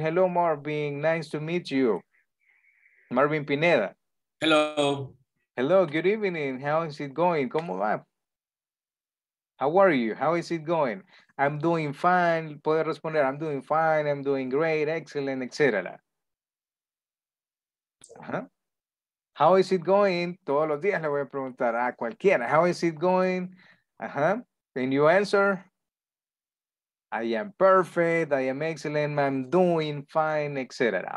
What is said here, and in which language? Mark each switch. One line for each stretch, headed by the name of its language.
English: Hello, Marvin. Nice to meet you. Marvin Pineda. Hello. Hello, good evening. How is it going?
Spanish: ¿Cómo va?
English: How are you? How is it going? I'm doing fine.
Spanish: Puede responder,
English: I'm doing fine, I'm doing great, excellent, etc. Uh-huh. How is it going?
Spanish: Todos los días le voy a preguntar a cualquiera.
English: How is it going? Uh-huh. And you answer, I am perfect, I am excellent, I'm doing fine, etc.